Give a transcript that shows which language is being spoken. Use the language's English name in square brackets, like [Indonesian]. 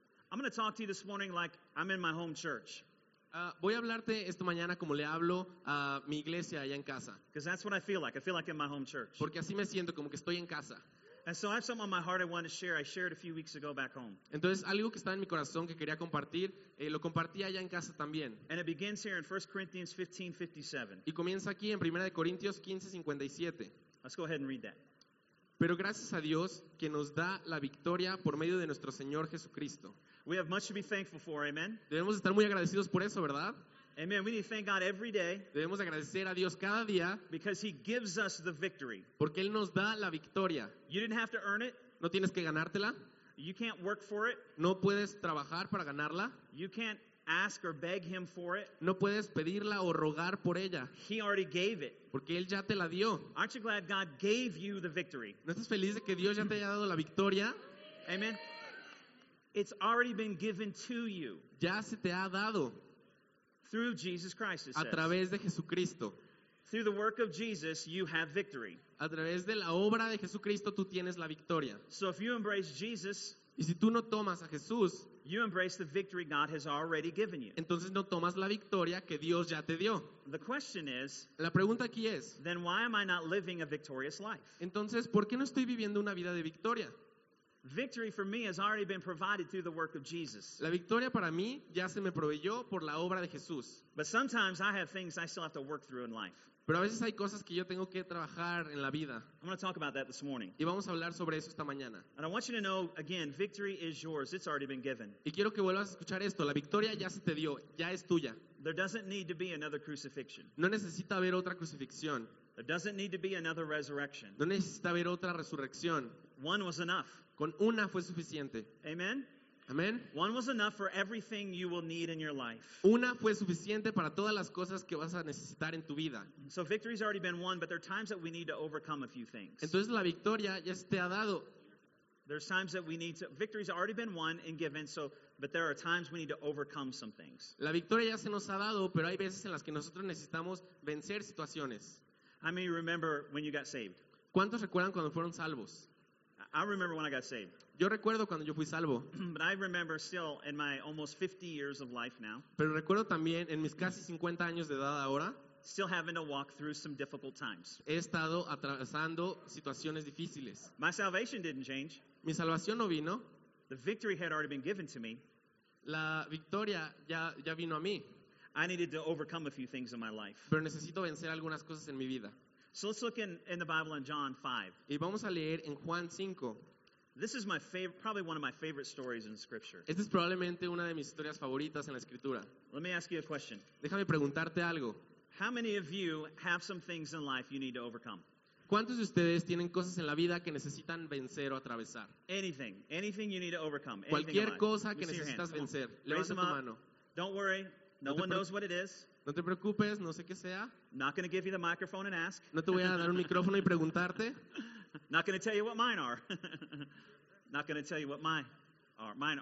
[English] I'm going to talk to you this morning like I'm in my home church. [Spanish] Voy a hablarte esta mañana como le hablo a mi iglesia allá en casa. [English] Because that's what I feel like. I feel like in my home church. [Spanish] Porque así me siento, como que estoy en casa. [English] And so I have something on my heart I want to share. I shared a few weeks ago back home. [Spanish] Entonces algo que está en mi corazón que quería compartir, lo compartí allá en casa también. [English] And it begins here in 1 Corinthians 15:57. [Spanish] Y comienza aquí en 1 Corintios 15:57. [English] Let's go ahead and read that. [Spanish] Pero gracias a Dios que nos da la victoria por medio de nuestro Señor Jesucristo. [English] We have much to be thankful for, amen. [Spanish] Debemos estar muy agradecidos por eso, ¿verdad? [English] Amen. We need to thank God every day. [Spanish] Debemos agradecer a Dios cada día. [English] Because He gives us the victory. [Spanish] Porque Él nos da la victoria. [English] You didn't have to earn it. [Spanish] No tienes que ganártela. [English] You can't work for it. [Spanish] No puedes trabajar para ganarla. [English] You can't ask or beg Him for it. [Spanish] No puedes pedirla o rogar por ella. [English] He already gave it. [Spanish] Porque Él ya te la dio. [English] Aren't you glad God gave you the victory? [Spanish] ¿No estás feliz de que Dios ya te haya dado la victoria? [English] Amen. It's already been given to you. [Spanish] Ya se te ha dado. [English] Through Jesus Christ, it says. [Spanish] A través de Jesucristo. [English] Through the work of Jesus, you have victory. [Spanish] A través de la obra de Jesucristo, tú tienes la victoria. [English] So if you embrace Jesus, [Spanish] y si tú no tomas a Jesús, [English] you embrace the victory God has already given you. [Spanish] Entonces no tomas la victoria que Dios ya te dio. [English] The question is, [Spanish] la pregunta aquí es, [English] then why am I not living a victorious life? [Spanish] Entonces, ¿por qué no estoy viviendo una vida de victoria? [English] Victory for me has already been provided through the work of Jesus. [Spanish] La victoria para mí ya se me proveyó por la obra de Jesús. [English] But sometimes I have things I still have to work through in life. [Spanish] Pero a veces hay cosas que yo tengo que trabajar en la vida. [English] I'm going to talk about that this morning. [Spanish] Y vamos a hablar sobre eso esta mañana. [English] And I want you to know again, victory is yours. It's already been given. [Spanish] Y quiero que vuelvas a escuchar esto. La victoria ya se te dio. Ya es tuya. [English] There doesn't need to be another crucifixion. [Spanish] No necesita haber otra crucifixión. [English] There doesn't need to be another resurrection. [Spanish] No necesita haber otra resurrección. [English] One was enough. [Spanish] Con una fue suficiente. [English] Amen. [Spanish] Amen. [English] One was enough for everything you will need in your life. [Spanish] Una fue suficiente para todas las cosas que vas a necesitar en tu vida. [English] So victory's already been won, but there are times that we need to overcome a few things. [Spanish] Entonces la victoria ya se te ha dado. [English] There's times that we need to. Victory's already been won and given, so but there are times we need to overcome some things. [Spanish] La victoria ya se nos ha dado, pero hay veces en las que nosotros necesitamos vencer situaciones. [English] How many remember when you got saved? [Spanish] ¿Cuántos recuerdan cuando fueron salvos? [English] I remember when I got saved. [Spanish] Yo recuerdo cuando yo fui salvo. [English] But I remember still in my almost 50 years of life now. [Spanish] Pero recuerdo también en mis casi 50 años de edad ahora. [English] Still having to walk through some difficult times. [Spanish] He estado atravesando situaciones difíciles. [English] My salvation didn't change. [Spanish] Mi salvación no vino. [English] The victory had already been given to me. [Spanish] La victoria ya vino a mí. [English] I needed to overcome a few things in my life. [Spanish] Pero necesito vencer algunas cosas en mi vida. [English] So let's look in the Bible in John 5. [Spanish] Y vamos a leer en Juan 5. [English] This is my probably one of my favorite stories in Scripture. [Spanish] Esta es probablemente una de mis historias favoritas en la Escritura. [English] Let me ask you a question. [Spanish] Déjame preguntarte algo. [English] How many of you have some things in life you need to overcome? [Spanish] ¿Cuántos de ustedes tienen cosas en la vida que necesitan vencer o atravesar? [English] Anything. Anything you need to overcome. Anything [Spanish] cualquier cosa que necesitas vencer. Levanta tu mano. [English] Don't worry. No one knows what it is. [Spanish] No te preocupes, no sé qué sea. [English] Not going to give you the microphone and ask. [Spanish] No te voy a dar un micrófono y preguntarte. [English] Not going to tell you what mine are. Not going to tell you what mine are.